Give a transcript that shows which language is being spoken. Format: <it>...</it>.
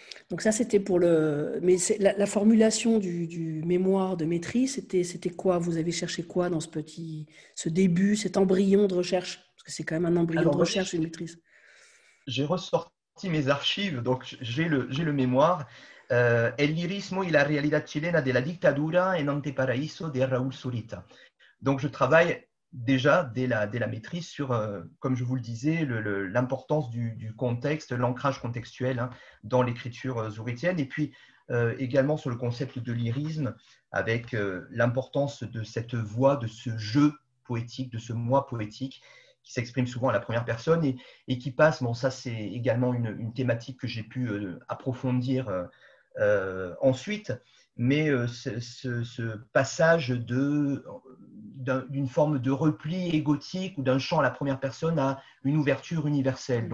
<fr>Donc ça, c'était pour le... Mais la formulation du mémoire de maîtrise, c'était quoi? Vous avez cherché quoi dans ce début, cet embryon de recherche? Parce que c'est quand même un embryon de Alors, recherche, une maîtrise. j'ai ressorti mes archives, donc j'ai le mémoire.</fr> <es>El lirismo y la realidad chilena de la dictadura en Anteparaíso de Raúl Zurita.</es> <fr>Donc, je travaille déjà dès la maîtrise sur, comme je vous le disais, l'importance du contexte, l'ancrage contextuel hein, dans l'écriture zuritienne, et puis également sur le concept de lyrisme, avec l'importance de cette voix, de ce je poétique, de ce moi poétique, qui s'exprime souvent à la première personne et qui passe, bon, ça c'est également une thématique que j'ai pu approfondir ensuite, mais ce passage d'une forme de repli égotique ou d'un chant à la première personne à une ouverture universelle.</fr>